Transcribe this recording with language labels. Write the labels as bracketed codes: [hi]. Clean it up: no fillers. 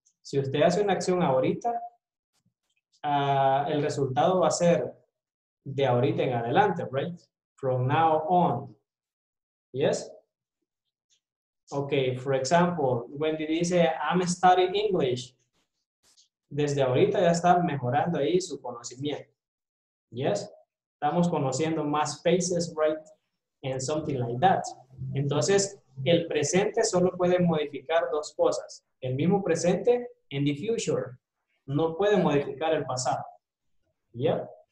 [es] Si usted hace una acción ahorita, el resultado va a ser de ahorita en adelante, right? [en] From now on. Yes? Okay, for example, Wendy dice, I'm studying English. [es] Desde ahorita ya está mejorando ahí su conocimiento. Yes? Estamos conociendo más faces, right? [en] And something like that. [es] Entonces, el presente solo puede modificar dos cosas. El mismo presente [en] and the future. [es] No puede modificar el pasado. Yeah?